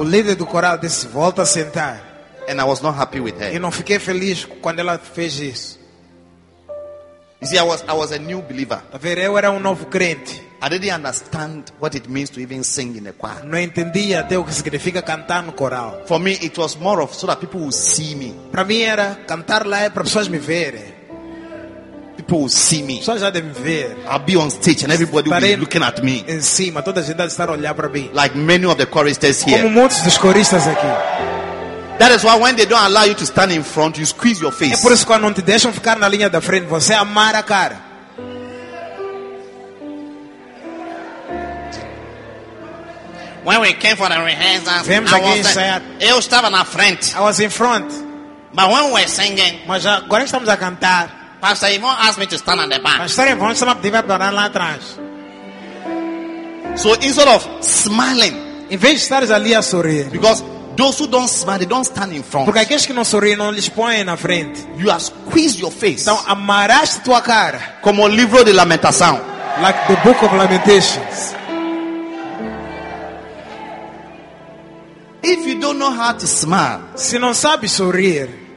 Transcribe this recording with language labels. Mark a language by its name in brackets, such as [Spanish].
[Portuguese] O líder do coral disse, volta a sentar. [English] And I was not happy with her. [Portuguese] Eu não fiquei feliz quando ela fez isso. [English] You see, I was a new believer. [Portuguese] A ver, eu era novo crente. [English] I didn't understand what it means to even sing in a choir. [Portuguese] Não entendia até o que significa cantar no coral. [English] For me, it was more of so that people would see me. [Portuguese] Para mim era cantar lá para pessoas me verem. [English] People will see me. [Portuguese] Só já de me ver. [English] I'll be on stage and everybody [Portuguese] estarei [English] will be looking at me. [Portuguese] Em cima, toda a gente vai estar a olhar para mim. [English] Like many of the choristers here. [Portuguese] Como muitos dos coristas aqui. [English] That is why when they don't allow you to stand in front, you squeeze your face. [Portuguese] É por isso que quando não te deixam ficar na linha da frente, você amar a cara. [English] When we came for the rehearsal, [Portuguese] eu estava na frente. [English] I was in front. But when we were singing, [Portuguese] mas agora estamos a cantar. [English] Pastor Ivan asked me to stand at the back. [Portuguese] Pastor Ivan chamou para devolver para lá atrás. [English] So instead of smiling, [Portuguese] em vez de estar ali a sorrir, [English] because those who don't smile, they don't stand in front. [Portuguese] Porque aqueles que não sorriem não lhes põem na frente. [English] You have squeezed your face. [Portuguese] Então amarraste tua cara. Como o livro de lamentação. [English] Like the book of lamentations. If you don't know how to smile, [Portuguese] se não sabe sorrir.